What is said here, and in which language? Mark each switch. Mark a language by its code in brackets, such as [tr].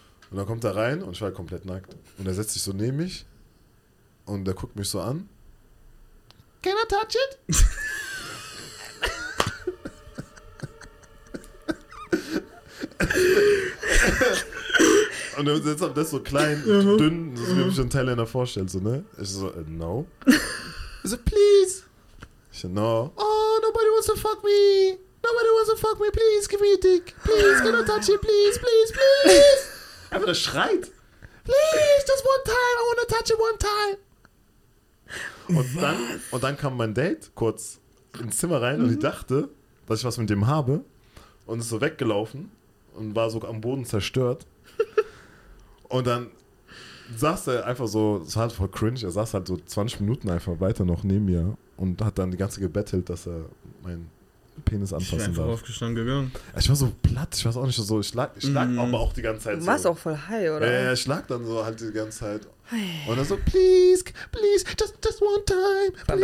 [de] Und dann kommt er rein und ich war komplett nackt. Und er setzt sich so neben mich und er guckt mich so an. [en] Can I touch it? [de] Und er setzt auf das so klein, dünn, so wie ich mir einen Thailänder vorstelle, so, ne? Ich so, no. Ich so, please. Ich so, no. [en] Oh, nobody wants to fuck me. Nobody wants to fuck me. Please, give me a dick. Please, can I touch it? Please, please, please. [de] Einfach der schreit. [en] Please, just one time, I want to touch it one time. [de] Und dann kam mein Date kurz ins Zimmer rein und ich dachte, dass ich was mit dem habe. Und ist so weggelaufen und war so am Boden zerstört. Und dann saß er einfach so, es war halt voll cringe, er saß halt so 20 Minuten einfach weiter noch neben mir und hat dann die ganze gebettelt, dass er meinen Penis anfassen darf. Ich bin einfach aufgestanden gegangen. Ich war so platt, ich weiß auch nicht, so ich lag aber auch die ganze Zeit so. Du warst auch voll high, oder? Ja, ich lag dann so halt die ganze Zeit. [en] Und dann so, please, please, just one time, please.